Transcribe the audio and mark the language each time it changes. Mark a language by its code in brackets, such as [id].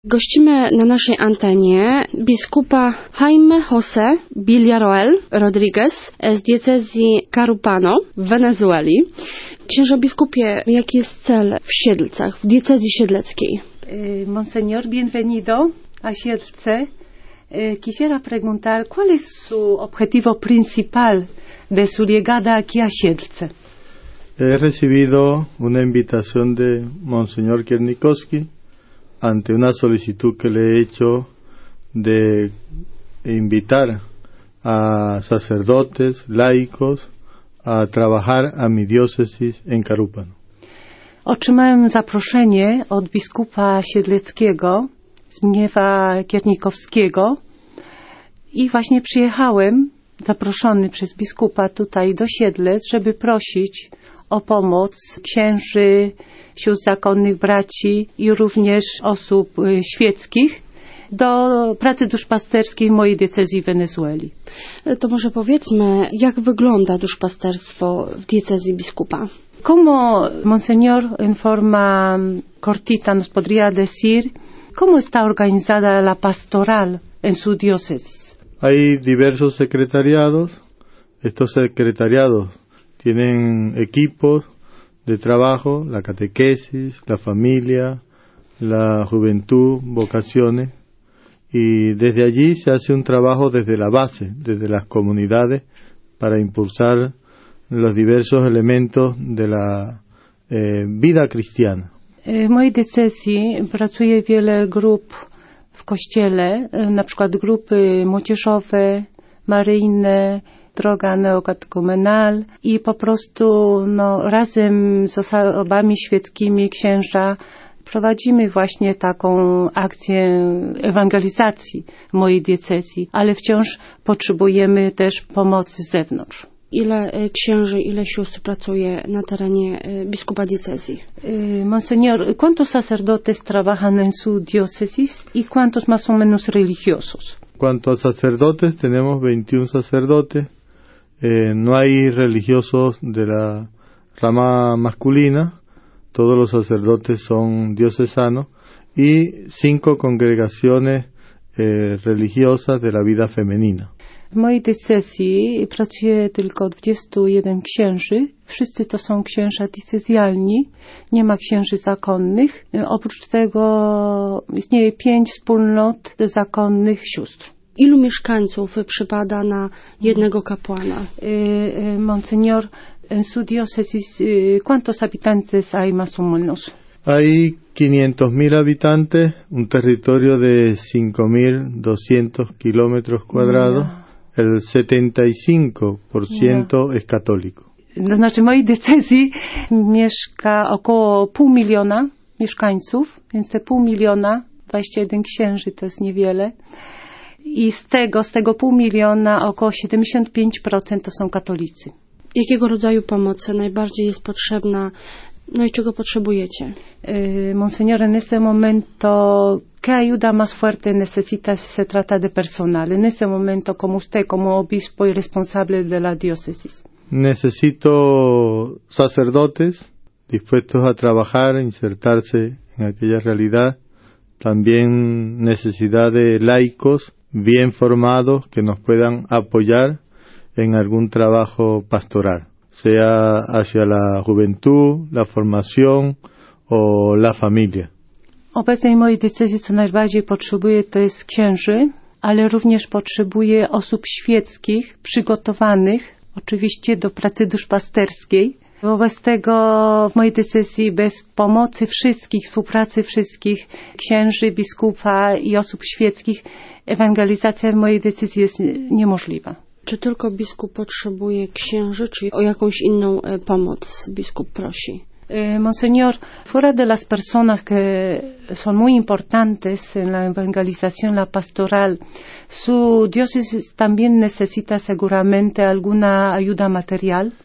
[pl] Gościmy na naszej antenie biskupa Jaime José Villarroel Rodríguez z diecezji Carúpano w Wenezueli. Księże biskupie, jaki jest cel w Siedlcach, w diecezji siedleckiej? [es] Monseñor, bienvenido a Siedlce. Quisiera preguntar, ¿cuál es su objetivo principal de su llegada aquí a Siedlce? He recibido una invitación de Monseñor Kiernikowski ante una solicitud que le he hecho de invitar a sacerdotes, laicos, a trabajar a mi diócesis en Carúpano. [pl] Otrzymałem zaproszenie od biskupa siedleckiego, Zbigniewa Kiernikowskiego, i właśnie przyjechałem, zaproszony przez biskupa tutaj do Siedlec, żeby prosić o pomoc księży, sióstr zakonnych, braci i również osób świeckich do pracy duszpasterskiej w mojej diecezji w Wenezueli. To może powiedzmy, jak wygląda duszpasterstwo w diecezji biskupa? [es] Como Monseñor informa cortita, nos podría decir, ¿cómo está organizada la pastoral en su diócesis? Hay diversos secretariados. Estos secretariados tienen equipos de trabajo, la catequesis, la familia, la juventud, vocaciones. Y desde allí se hace un trabajo desde la base, desde las comunidades, para impulsar los diversos elementos de la vida cristiana. [pl] W mojej diecezji pracuje wiele grup w kościele, na przykład grupy młodzieżowe, maryjne, droga neokatekumenal i po prostu razem z osobami świeckimi księża prowadzimy właśnie taką akcję ewangelizacji w mojej diecezji, ale wciąż potrzebujemy też pomocy z zewnątrz. Ile księży, ile sióstr pracuje na terenie biskupa diecezji? [es] Monseñor, ¿cuántos sacerdotes trabajan en su diócesis y cuántos más o menos religiosos? Cuanto a sacerdotes, tenemos 21 sacerdotes. No hay religiosos de la rama masculina. Todos los sacerdotes son diocesanos. Y 5 congregaciones religiosas de la vida femenina. [pl] W mojej diecezji pracuje tylko 21 księży. Wszyscy to są księża diecezjalni. Nie ma księży zakonnych. Oprócz tego istnieje 5 wspólnot zakonnych sióstr. Ilu mieszkańców przypada na jednego kapłana? [es] Monseñor, en su diócesis, ¿cuántos habitantes hay más o menos? Hay 500.000 habitantes, un territorio de 5.200 kilómetros cuadrados. El 75% es católico. [pl] No, znaczy, mojej diecezji mieszka około 500 000 mieszkańców, więc te 500 000, 21 księży, to jest niewiele. I z tego 500 000 około 75% to są katolicy. Jakiego rodzaju pomoc najbardziej jest potrzebna? No i czego potrzebujecie? [es] Monseñor, en este momento, ¿qué ayuda más fuerte necesita si se trata de personal? En este momento, como usted, como obispo y responsable de la diócesis. Necesito sacerdotes dispuestos a trabajar, a insertarse en aquella realidad. También necesidad de laicos bien formados que nos puedan apoyar en algún trabajo pastoral, sea hacia la juventud, la formación o la familia. [pl] Obecnie w mojej diecezji, co najbardziej potrzebuje, to jest księży, ale również potrzebuje osób świeckich, przygotowanych oczywiście do pracy duszpasterskiej. Wobec tego w mojej diecezji bez pomocy wszystkich, współpracy wszystkich księży, biskupa i osób świeckich ewangelizacja w mojej diecezji jest niemożliwa. Czy tylko biskup potrzebuje księży, czy o jakąś inną pomoc biskup prosi? [es] Monseñor, fuera de las personas que son muy importantes en la evangelización, la pastoral, su diócesis también necesita seguramente alguna ayuda material.